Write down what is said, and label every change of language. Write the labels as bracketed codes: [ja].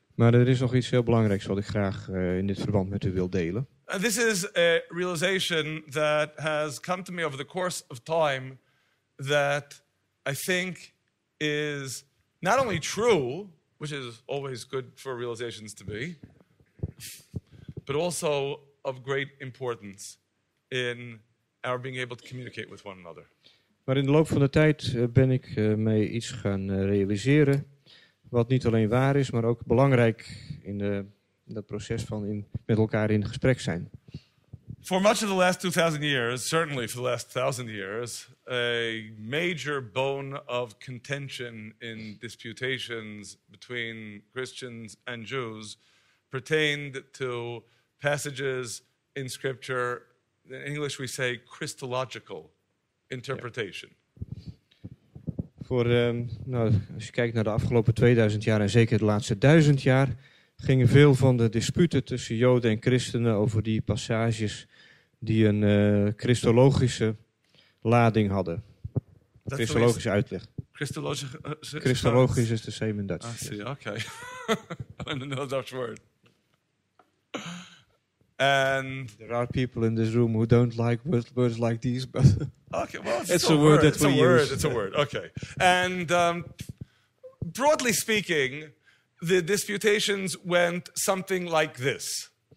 [nl] Maar er is nog iets heel belangrijks wat ik graag in dit verband met u wil delen. [en] This is a realization that has come to me over the course of time that I think is not only true, which is always good for realizations to be, but also of great importance in our being able to communicate with one another. [nl] Maar in de loop van de tijd ben ik mee iets gaan realiseren wat niet alleen waar is, maar ook belangrijk in dat proces van met elkaar in gesprek zijn. [en] For much of the last 2000 years, certainly for the last 1000 years, a major bone of contention in disputations between Christians and Jews pertained to passages in scripture, in English we say Christological interpretation. Yeah. [nl] Voor, als je kijkt naar de afgelopen 2000 jaar en zeker de laatste 1000 jaar, gingen veel van de disputen tussen Joden en Christenen over die passages die een christologische lading hadden. [en] That's [nl] christologische uitleg. Christologisch [en] is the same in Dutch. I see, okay. I don't know Dutch word. And there are people in this room who don't like words like these, but okay, well, it's a word that we use. It's a word, okay. And broadly speaking, the disputations went something like this.